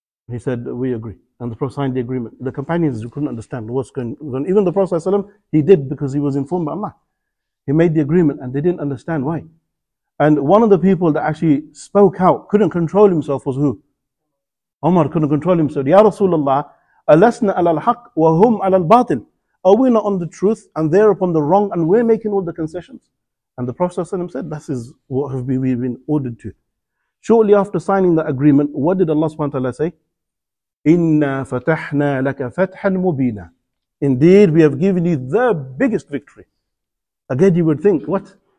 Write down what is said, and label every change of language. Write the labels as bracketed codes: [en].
[en] He said, we agree. And the Prophet signed the agreement. The companions couldn't understand what's going on. Even the Prophet ﷺ, he did, because he was informed by Allah. He made the agreement and they didn't understand why. And one of the people that actually spoke out, couldn't control himself, was who? Umar couldn't control himself. Ya Rasulullah, [ar] أَلَسْنَا عَلَى الْحَقِّ وَهُمْ عَلَى الْبَاطِلِ. [en] Are we not on the truth and they're upon the wrong and we're making all the concessions? And the Prophet ﷺ said, this is what we've been ordered to. Shortly after signing that agreement, what did Allah subhanahu wa ta'ala say? [ar] إِنَّا فَتَحْنَا لَكَ فَتْحًا مُبِينًا. [en] Indeed, we have given you the biggest victory. Again, you would think, what?